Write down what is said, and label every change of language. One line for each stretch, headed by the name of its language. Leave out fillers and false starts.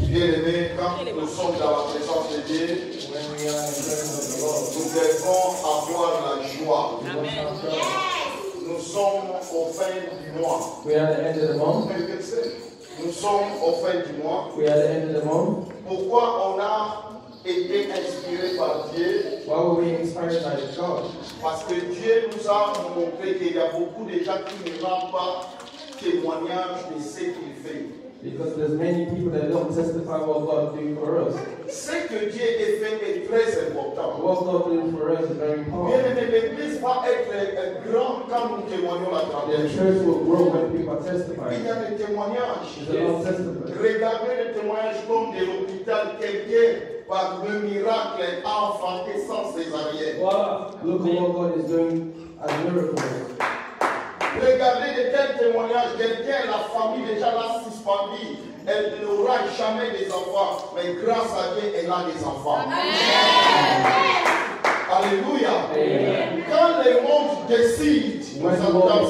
French: Bien-aimés, quand nous sommes dans la présence de Dieu, nous devons avoir la joie. Amen. Nous sommes au fin du mois.
English: We are at the end of the month.
French: Nous sommes au fin du mois.
English: We are at the end of the month.
French: Pourquoi on a été inspiré par Dieu?
English: Why were we inspired by God?
French: Parce que Dieu nous a montré qu'il y a beaucoup de gens qui ne vont pas témoignage de ce qu'il fait.
English: Because there's many people that don't testify what God is doing for us.
French: Ce que Dieu est fait est très important.
English: What God is doing for us is very important.
French: L'église va être grand quand nous témoignons la parole.
English: The church will grow when people testify.
French: Il y a des témoignages.
English: There's a lot of testimony.
French: Regardez les témoignages comme de l'hôpital quelqu'un par le miracle a enfanté sans césarienne.
English: Wow. Look at what God is doing as a miracle.
French: Regardez de tels témoignages, quelqu'un, la famille déjà l'a suspendu. Elle n'aura jamais des enfants, mais grâce à Dieu, elle a des enfants. Amen. Alléluia. Amen. Quand le monde décide, nous attendons